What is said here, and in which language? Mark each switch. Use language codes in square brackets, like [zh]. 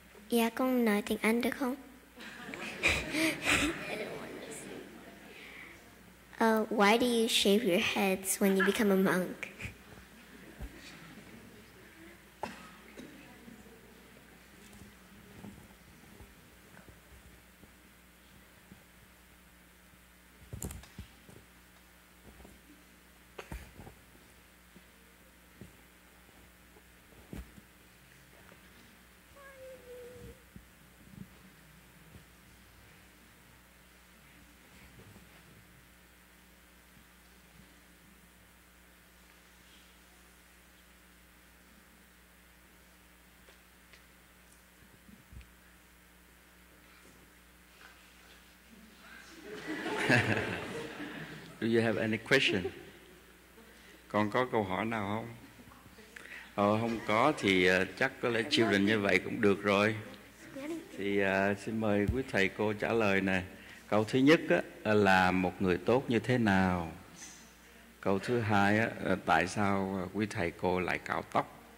[vi] Dạ con nói tiếng Anh được không? [en] Why do you shave your heads when you become a monk? Do you have any question? [vi] Còn có câu hỏi nào không? Không có thì chắc có lẽ chiêu định như vậy cũng được rồi. Thì xin mời quý thầy cô trả lời nè. Câu thứ nhất á, là một người tốt như thế nào? Câu thứ hai á, tại sao quý thầy cô lại cạo tóc?